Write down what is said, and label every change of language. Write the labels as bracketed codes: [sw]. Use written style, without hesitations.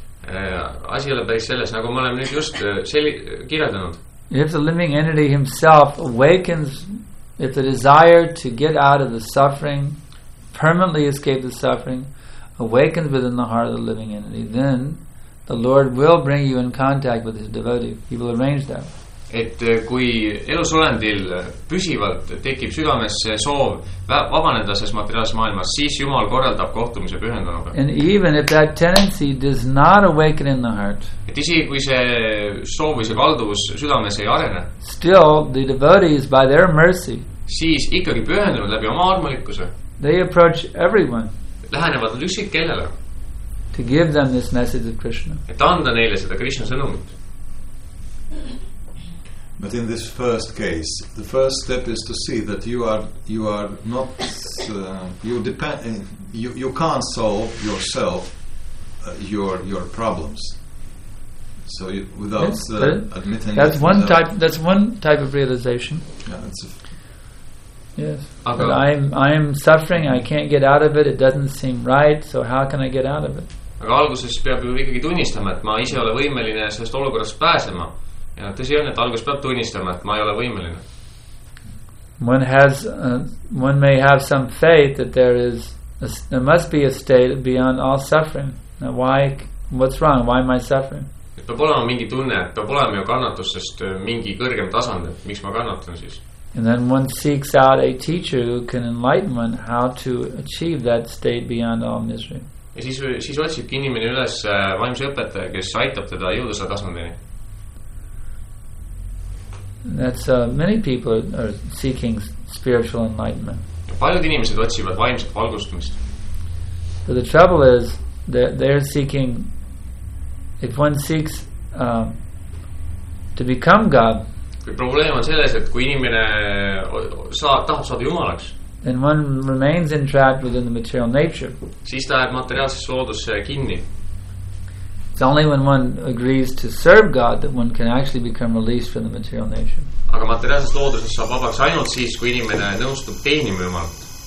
[et] Asi ei ole päris selles, nagu me oleme nüüd just kirjeldanud. [en] If the living entity himself awakens, if the desire to get out of the suffering, permanently escape the suffering, awakens within the heart of the living entity, then the Lord will bring you in contact with his devotee. He will arrange that. [et] Et kui elusolendil püsivalt tekib südames soov vabaneda selles materiaalses maailmas, siis Jumal korraldab kohtumise pühendunuga. [en] And even if that tendency does not awaken in the heart. [et] Et isegi kui see soov või see kalduvus südames ei arene. [en] Still the devotees by their mercy. [et] Siis ikkagi pühendunud läbi oma armulikkuse. [en] They approach everyone. [et] Lähenevad üksik kellele. [en] To give them this message of Krishna. [et] Et anda neile seda Krishna sõnumit. [en] But in this first case, the first step is to see that you can't solve yourself your problems. So That's one type of realization. Yeah, that's yes. Okay. But I'm suffering. I can't get out of it. It doesn't seem right. So how can I get out of it? [et] Aga alguses peab ju ikkagi tunnistama, et ma ise ole võimeline sellest olukorrast pääsema. Ja tõsi on, et algus peab tunnistama, et ma ei ole võimeline. [en] One may have some faith that there must be a state beyond all suffering. Now why, what's wrong? Why am I suffering? [et] Et peab olema mingi tunne, et peab olema ju kannatus, sest mingi kõrgem tasand, et miks ma kannatan siis. [en] And then one seeks out a teacher who can enlighten one how to achieve that state beyond all misery. [et] Ja siis otsib inimene üles vaimse õpetaja, kes aitab teda jõuda selle tasandini. [en] That's many people are seeking spiritual enlightenment. [et] Paljud inimesed otsivad vaimset valgustumist. [en] But the trouble is that they're seeking, if one seeks to become God, [et] kui probleem on selles, et kui inimene tahab saada Jumalaks, [en] then one remains entrapped within the material nature. [et] Siis ta jääb materiaalses loodus kinni. [en] It's only when one agrees to serve God that one can actually become released from the material nature. [et] Aga materiaalses looduses saab vabaks ainult siis, kui inimene nõustub teenima Jumalat.